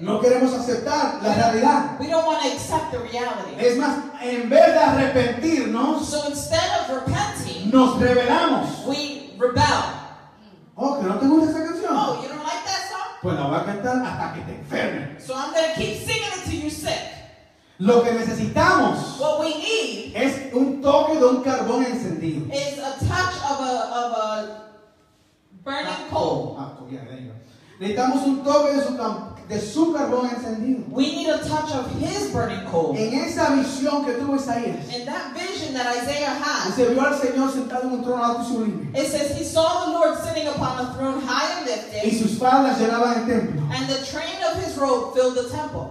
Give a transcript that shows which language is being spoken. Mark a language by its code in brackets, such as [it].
[es] no queremos aceptar la realidad. [en] We don't want to accept the reality. [es] Es más, en vez de arrepentirnos, [en] so instead of repenting, [es] nos rebelamos. [en] We rebel. [es] Oh, que no te gusta esa canción. [en] Oh, you don't like that song? [es] Pues la voy a cantar hasta que te enferme. [en] So I'm going to keep singing until you're sick. [es] Lo que necesitamos, [en] what we need, [es] es un toque de un carbón encendido. [en] Is a touch of a burning coal. [es] Yeah, necesitamos un toque de su de su carbón encendido. [en] We need a touch of his burning coal. [es] En esa visión que tuvo Isaías. [en] In that vision that Isaiah had. [es] Se vio al Señor sentado en un trono alto y sublime. [en] It says he saw the Lord sitting upon a throne high and lifted. [es] Y sus faldas llenaban el templo. [en] And the train of his robe filled the temple.